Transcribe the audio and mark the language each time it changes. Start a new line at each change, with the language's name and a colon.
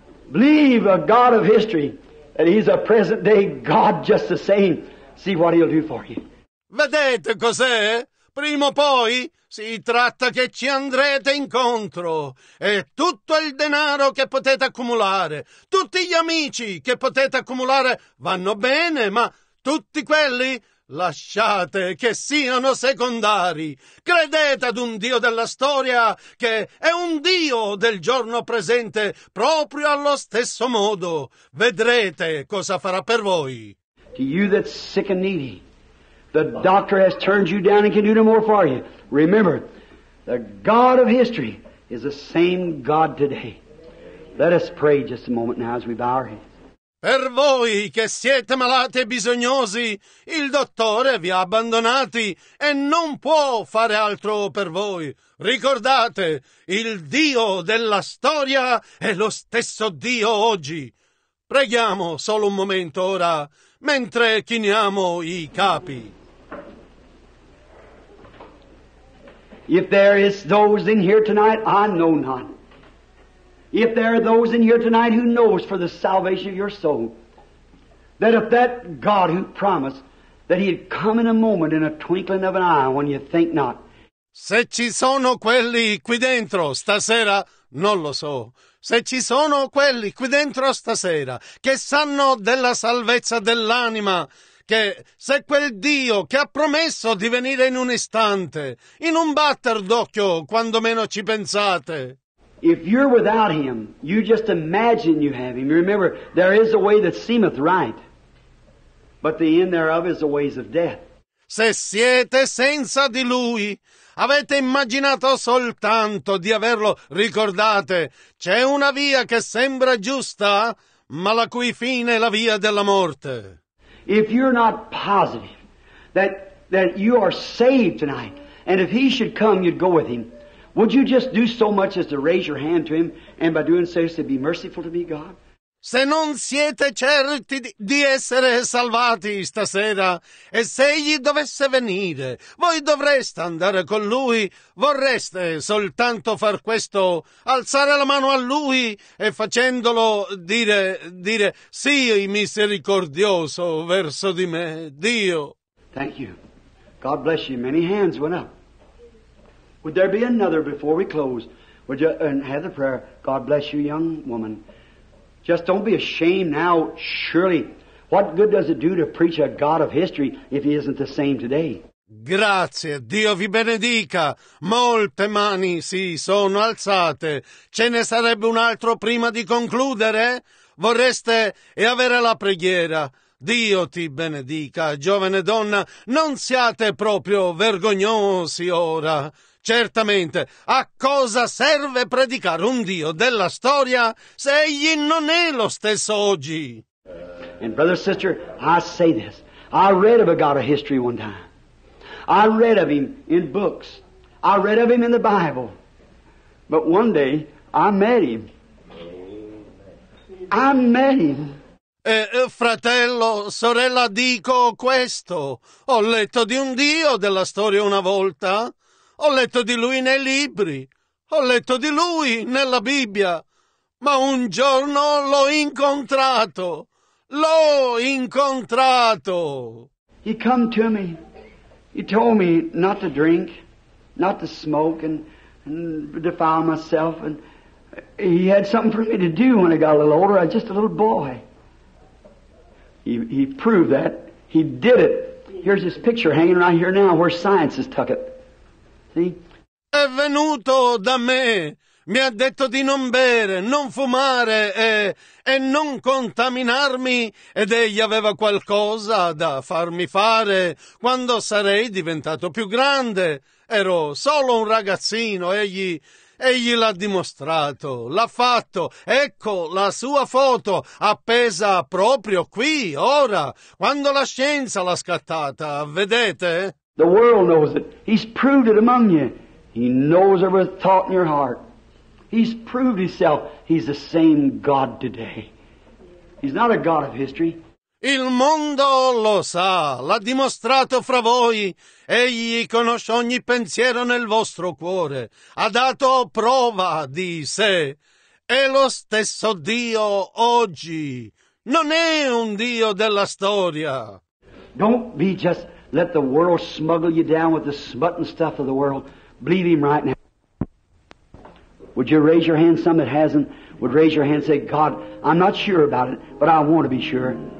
English: Believe a God of history, and he's a present day God just the same. See what he'll do for you.
Italian: Vedete cos'è? Prima o poi si tratta che ci andrete incontro e tutto il denaro che potete accumulare, tutti gli amici che potete accumulare vanno bene, ma tutti quelli lasciate che siano secondari. Credete ad un Dio della storia che è un Dio del giorno presente proprio allo stesso modo. Vedrete cosa farà per voi.
English: To you that's sick and needy. The doctor has turned you down and can do no more for you. Remember, the God of history is the same God today. Let us pray just a moment now as we bow our heads.
Italian: Per voi che siete malati e bisognosi, il dottore vi ha abbandonati e non può fare altro per voi. Ricordate, il Dio della storia è lo stesso Dio oggi. Preghiamo solo un momento ora, mentre chiniamo i capi.
English: If there is those in here tonight, I know not. If there are those in here tonight who knows for the salvation of your soul, that if that God who promised that he had come in a moment, in a twinkling of an eye, when you think not.
Italian: Se ci sono quelli qui dentro stasera, non lo so. Se ci sono quelli qui dentro stasera che sanno della salvezza dell'anima, che se quel Dio che ha promesso di venire in un istante, in un batter d'occhio, quando meno ci pensate.
English: If you're without him, you just imagine you have him. Remember, there is a way that seemeth right, but the end thereof is the ways of death.
Italian: Se siete senza di lui, avete immaginato soltanto di averlo, ricordate, c'è una via che sembra giusta, ma la cui fine è la via della morte.
English: If you're not positive that you are saved tonight, and if he should come, you'd go with him. Would you just do so much as to raise your hand to him, and by doing so, say, be merciful to me, God?
Italian: Se non siete certi di essere salvati stasera, e se egli dovesse venire, voi dovreste andare con lui, vorreste soltanto far questo, alzare la mano a lui e facendolo dire sì, misericordioso verso di me, Dio.
English: Thank you. God bless you. Many hands went up. Would there be another before we close? Would you have the prayer? God bless you, young woman. Just don't be ashamed now, surely. What good does it do to preach a God of history if he isn't the same today?
Italian: Grazie, Dio vi benedica. Molte mani si sono alzate. Ce ne sarebbe un altro prima di concludere? Vorreste e avere la preghiera? Dio ti benedica, giovane donna. Non siate proprio vergognosi ora. Certamente, a cosa serve predicare un Dio della storia se egli non è lo stesso oggi?
English: And brother, sister, I say this. I read of a God of history one time. I read of him in books. I read of him in the Bible. But one day, I met him. I met him.
Italian: Fratello, sorella, dico questo. Ho letto di un Dio della storia una volta. Ho letto di lui nei libri, ho letto di lui nella Bibbia, ma un giorno l'ho incontrato, l'ho incontrato.
English: He come to me, he told me not to drink, not to smoke and defile myself, and he had something for me to do when I got a little older. I was just a little boy. He proved that, he did it. Here's this picture hanging right here now where science has tucked it.
Italian: È venuto da me, mi ha detto di non bere, non fumare e non contaminarmi, ed egli aveva qualcosa da farmi fare quando sarei diventato più grande. Ero solo un ragazzino, egli l'ha dimostrato, l'ha fatto. Ecco la sua foto appesa proprio qui, ora, quando la scienza l'ha scattata, vedete?
English: The world knows it. He's proved it among you. He knows every thought in your heart. He's proved himself. He's the same God today. He's not a God of history.
Italian: Il mondo lo sa, l'ha dimostrato fra voi. Egli conosce ogni pensiero nel vostro cuore. Ha dato prova di sé. È lo stesso Dio oggi. Non è un Dio della storia.
English: Don't be just... Let the world smuggle you down with the smut and stuff of the world. Believe him right now. Would you raise your hand, some that hasn't? Would raise your hand and say, God, I'm not sure about it, but I want to be sure.